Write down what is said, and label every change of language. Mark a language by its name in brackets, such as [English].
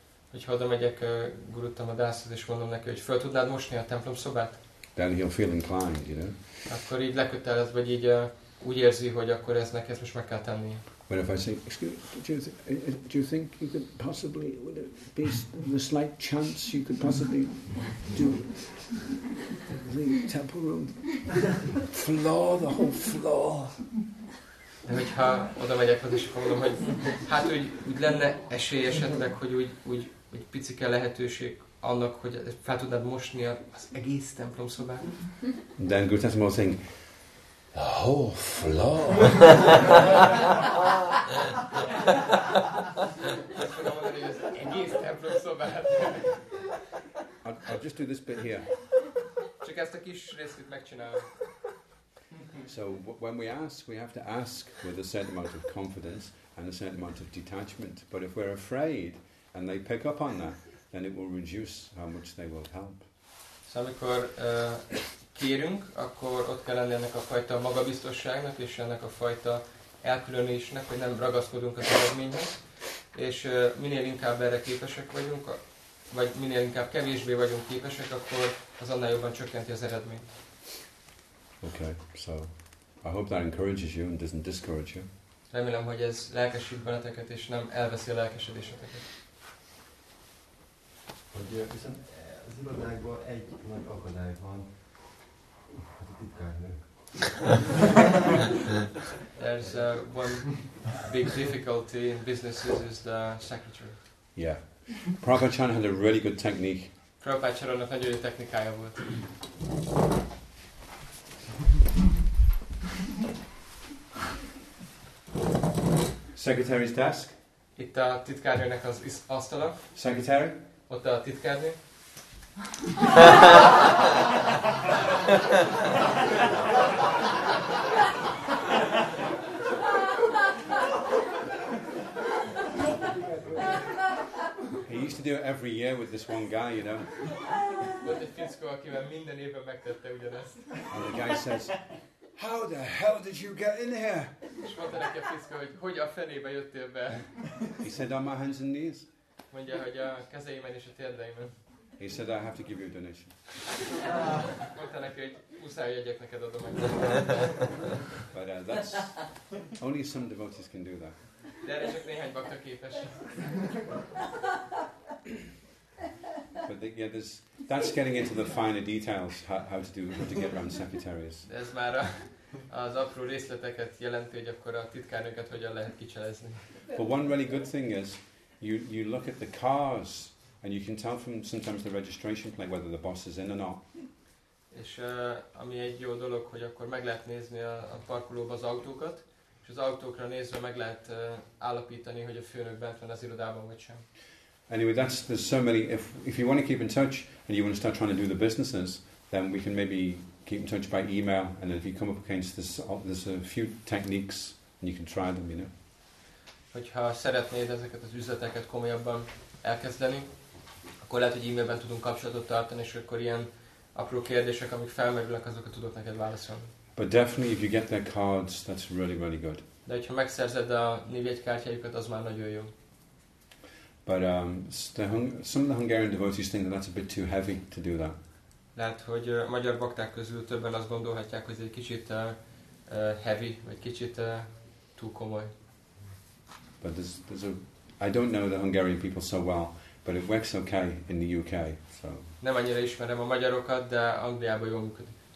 [Hungarian] Hogyha oda megyek Gurutama Dashoz, és mondom neki, hogy fel tudnád mosni a templom szobát? [English] Then he'll feel inclined, you know. [Hungarian] Akkor így lekötelez, vagy így úgy érzi, hogy akkor ez neki, ezt most meg kell tennie. [English] But if I say, do you think you could possibly, would there be the slight chance you could possibly do the temple room floor, the whole floor? [Hungarian] De hogyha oda megyek az, és mondom, hogy hát úgy lenne esély esetleg, hogy úgy picike lehetőség annak, hogy fel tudnád mosni az egész templom szobát. [English] Then Guru Tantra Mahal saying, the whole floor. [Hungarian] Az egész templom szobát. [English] I'll just do this bit here. [Hungarian] Csak ezt a kis részét megcsinálom. [English] So when we ask, we have to ask with a certain amount of confidence and a certain amount of detachment. But if we're afraid and they pick up on that, then it will reduce how much they will help. [Hungarian] So amikor kérünk, akkor ott kell lenni ennek a fajta magabiztosságnak és ennek a fajta elkülönülésnek, hogy nem ragaszkodunk az eredményhez. És minél inkább erre képesek vagyunk, vagy minél inkább kevésbé vagyunk képesek, akkor az annál jobban csökkenti az eredményt. [English] Okay, so I hope that encourages you and doesn't discourage you. [Hungarian] Remélem, hogy ez lelkesít benneteket és nem elveszi a lelkesedéseteket. Hogy viszont az irodákban egy nagy akadály van, hát a titkárnők. [English] There's one big difficulty in businesses is the secretary. Yeah, Prabhachan had a really good technique. [Hungarian] Prabhachannak nagyon jó technikája volt. [English] Secretary's desk. [Hungarian] Itt a titkárnőnek az asztala. [English] Secretary. [Hungarian] Ott a titkárnő. [English] He used to do it every year with this one guy, you know. [Hungarian] Volt egy fickó, akivel minden évben megtette ugyanezt. [English] And the guy says, how the hell did you get in here? [Hungarian] És mondta neki a fickó, hogy a fenébe jöttél be. [English] He said, on my hands and knees. [Hungarian] Mondja, hogy a kezeimen és a térdeimen. [English] He said, I have to give you a donation. [Hungarian] Mondta neki, hogy muszáj, hogy egyek neked adom. [English] But that's... Only some devotees can do that. [Hungarian] De erre csak néhány bakta képes. [English] But the, yeah, that's getting into the finer details, how to do, how to get around secretaries. [Hungarian] Ez már az apró részleteket jelenti, hogy akkor a titkárnőket hogyan lehet kicselezni. [English] But one really good thing is, you look at the cars And you can tell from sometimes the registration plate whether the boss is in or not. [Hungarian] És ami egy jó dolog, hogy akkor meg lehet nézni a parkolóban az autókat, és az autókra nézve meg lehet állapítani, hogy a főnök bent van az irodában vagy sem. [English] Anyway, that's there's so many. If you want to keep in touch and you want to start trying to do the businesses, then we can maybe keep in touch by email. And then if you come up against this, there's a few techniques and you can try them, you know. [Hungarian] Hogyha szeretnéd ezeket az üzleteket komolyabban elkezdeni, akkor lehet, hogy e-mailben tudunk kapcsolatot tartani, és akkor ilyen apró kérdések, amik felmerülnek, azokat tudok neked válaszolni. [English] But definitely if you get their cards, that's really, really good. [Hungarian] De hogyha megszerzed a névjegykártyájukat, az már nagyon jó. [English] But some of the Hungarian devotees think that that's a bit too heavy to do that. [Hungarian] Lehet, hogy a magyar bakták közül többen azt gondolhatják, hogy ez egy kicsit heavy, vagy kicsit túl komoly. [English] But I don't know the Hungarian people so well, but it works okay in the UK. So. [Hungarian] Nem annyira ismerem a magyarokat, de Angliában jól működik.